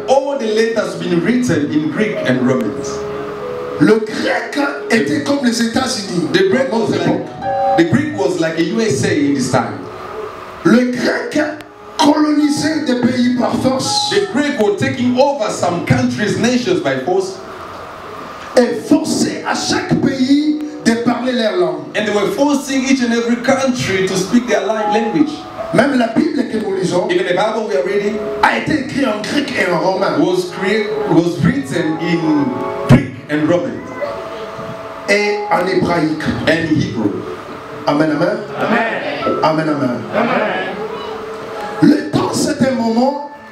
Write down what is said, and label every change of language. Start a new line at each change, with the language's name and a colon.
English: All the letters have been written in Greek and Romans.
French: Le grec était comme les États-Unis.
English: The Greek was like a USA in this time.
French: Le grec colonisait des pays par force.
English: The Greek were taking over some countries, nations by force.
French: Et forçait à chaque pays de parler leur langue.
English: And they were forcing each and every country to speak their language.
French: Même la Bible que nous lisons,
English: even the Bible we are reading,
French: a été écrite en grec et en romain.
English: Was written in Greek and Roman.
French: Et en hébraïque.
English: And in Hebrew. Amen, amen. Amen. Amen, amen.
French: Le temps c'est un moment.